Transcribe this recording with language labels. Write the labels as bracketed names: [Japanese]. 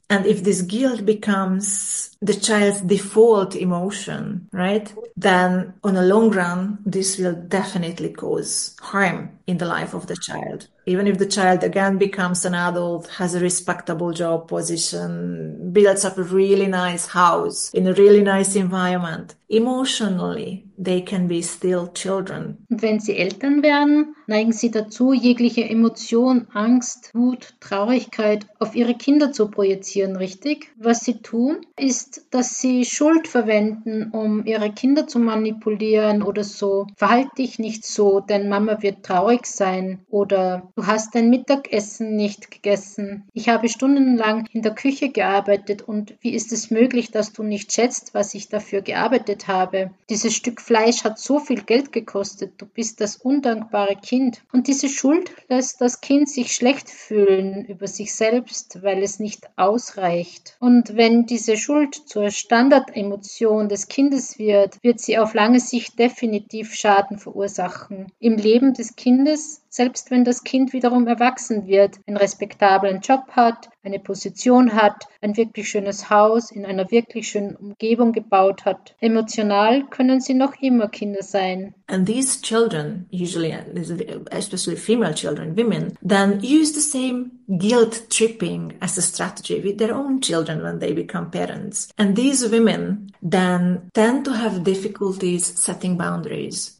[English] And if this guilt becomes the child's default emotion, right, then on the long run, this will definitely cause harm in the life of the child. Even if the child again becomes an adult, has a respectable job position, builds up a really nice house in a really nice environment, emotionally, they can be still children. [German] Und wenn sie Eltern werden, neigen sie dazu, jegliche Emotion, Angst, Wut, Traurigkeit auf ihre Kinder zu projizieren, richtig? Was sie tun, ist, dass sie Schuld verwenden, um ihre Kinder zu manipulieren oder so. Verhalte dich nicht so, denn Mama wird traurig sein. Oder du hast dein Mittagessen nicht gegessen. Ich habe stundenlang in der Küche gearbeitet und wie ist es möglich, dass du nicht schätzt, was ich dafür gearbeitet habe? Dieses Stück Fleisch hat so viel Geld gekostet. Du bist das undankbare Kind. Und diese Schuld lässt das Kind sich schlecht fühlen über sich selbst, weil es nicht ausreicht. Und wenn diese Schuld zur Standardemotion des Kindes wird, wird sie auf lange Sicht definitiv Schaden verursachen. Im Leben des Kindes, selbst wenn das Kind wiederum erwachsen wird, einen respektablen Job hat, eine Position hat, ein wirklich schönes Haus in einer wirklich schönen Umgebung gebaut hat. Emotional können sie noch immer Kinder sein. [English] And these children, usually, especially female children, women, then use the same guilt tripping as a strategy with their own children when they become parents. And these women then tend to have difficulties setting boundaries.